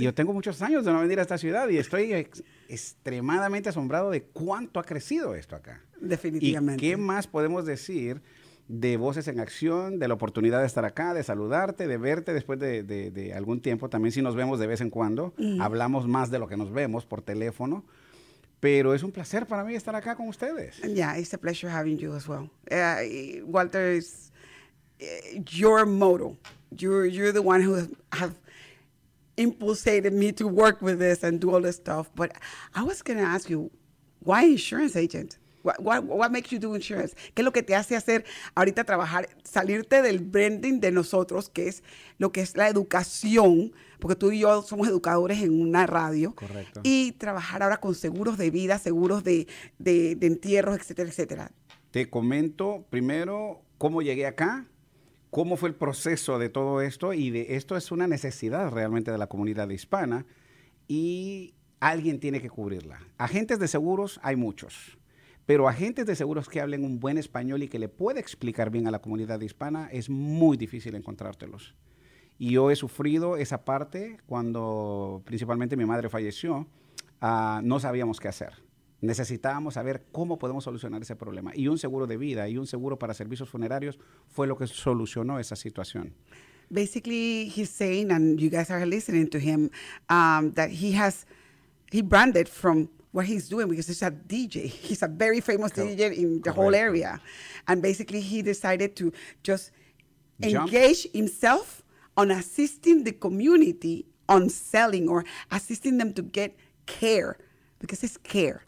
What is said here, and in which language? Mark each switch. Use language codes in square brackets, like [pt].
[es] Y yo tengo muchos años de no venir a esta ciudad y estoy extremadamente asombrado de cuánto ha crecido esto acá. Definitivamente. ¿Y qué más podemos decir de Voces en Acción, de la oportunidad de estar acá, de saludarte, de verte después de algún tiempo. También si nos vemos de vez en cuando, hablamos más de lo que nos vemos por teléfono. Pero es un placer para mí estar acá con ustedes. [en] Yeah, it's a pleasure having you as well. Walter, is your motto. You're the one who have impulsated me to work with this and do all this stuff. But I was going to ask you, why insurance agent? What makes you do insurance? [es] ¿Qué es lo que te hace hacer ahorita trabajar, salirte del branding de nosotros, que es lo que es la educación? Porque tú y yo somos educadores en una radio. Correcto. Y trabajar ahora con seguros de vida, seguros de entierros, etcétera, etcétera. Te comento primero cómo llegué acá, cómo fue el proceso de todo esto, y de esto es una necesidad realmente de la comunidad hispana, y alguien tiene que cubrirla. Agentes de seguros hay muchos. Pero agentes de seguros que hablen un buen español y que le pueda explicar bien a la comunidad hispana, es muy difícil encontrártelos. Y yo he sufrido esa parte cuando principalmente mi madre falleció. No sabíamos qué hacer. Necesitábamos saber cómo podemos solucionar ese problema. Y un seguro de vida y un seguro para servicios funerarios fue lo que solucionó esa situación. [en] Basically, he's saying, and you guys are listening to him, that he branded from what he's doing, because he's a DJ. He's a very famous DJ in the whole area. And basically he decided to just engage himself on assisting the community on selling or assisting them to get care, because it's care.